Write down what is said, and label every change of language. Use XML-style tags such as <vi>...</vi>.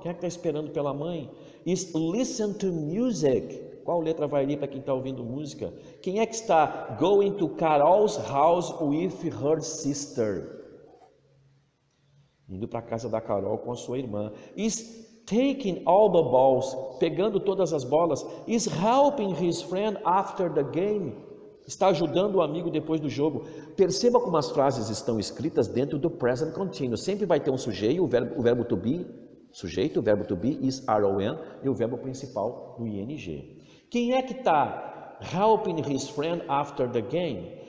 <pt>Quem é que está esperando pela mãe?</pt> <en>Is listen to music?</en> <pt>Qual letra vai ali para quem está ouvindo música? Quem é que está</pt> <en>going to Carol's house with her sister?</en> <pt>Indo para a casa da Carol com a sua irmã.</pt> <en>Is taking all the balls,</en> <pt>pegando todas as bolas.</pt> <en>Is helping his friend after the game.</en> <pt>Está ajudando o amigo depois do jogo. Perceba como as frases estão escritas dentro do present continuous. Sempre vai ter um sujeito, o verbo to be, sujeito, o verbo to be is R-O-N, e o verbo principal do ING. Quem é que está</pt> <en>helping his friend after the game?</en>